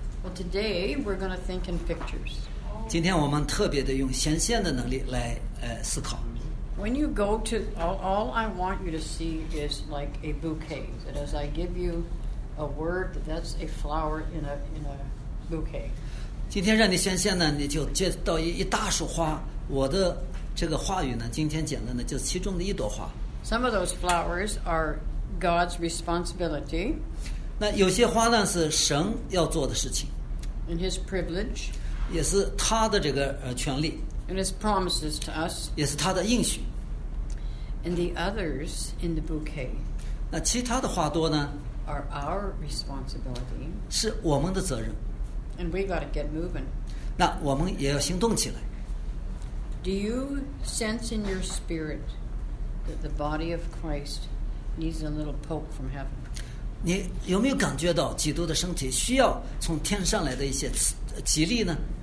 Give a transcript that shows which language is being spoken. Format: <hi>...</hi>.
<en>Well, today we're going to think in pictures.</en> <zh>今天我们特别的用显现的能力来思考。</zh> <en>When you go to, all I want you to see is like a bouquet. That as I give you a word, that's a flower in a bouquet.</en> <zh>今天让你显现呢，你就见到一大束花。我的这个话语呢，今天讲的呢，就是其中的一朵花。</zh> <en>Some of those flowers are God's responsibility.</en> <zh>那有些花呢，是神要做的事情。</zh> <en>And His privilege.</en> <zh>也是他的这个权利。</zh> <en>And His promises to us.</en> <zh>也是他的应许。</zh> <en>And the others in the bouquet.</en> <zh>那其他的花朵呢？</zh> <en>Are our responsibility.</en> <zh>是我们的责任。</zh> <en>And we got to get moving.</en> <zh>那我们也要行动起来。</zh> <en>Do you sense in your spirit that the body of Christ needs a little poke from heaven?</en> <zh>你有没有感觉到基督的身体需要从天上来的一些激励呢？</zh>